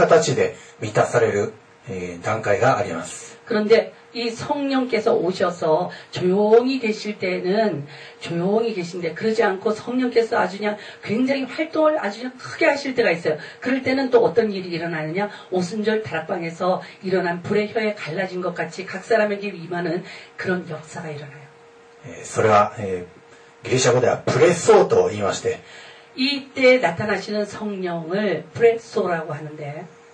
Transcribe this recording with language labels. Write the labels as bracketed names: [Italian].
[Japanese] 精霊の満たしのさらに進んだ段階としてですね、ペンテコステのような外面的に密かでなく公な形で満たされる 단계가 아리ます. [Korean] 그런데 이 성령께서 오셔서 조용히 계실 때는 조용히 계신데 그러지 않고 성령께서 아주 그냥 굉장히 활동을 아주 그냥 크게 하실 때가 있어요. 그럴 때는 또 어떤 일이 일어나느냐? 오순절 다락방에서 일어난 불의 혀에 갈라진 것 같이 각 사람에게 임하는 그런 역사가 일어나요. [Japanese] それはギリシャ語ではプレソーと言いまして [Korean] 이때 나타나시는 성령을 프레소라고 하는데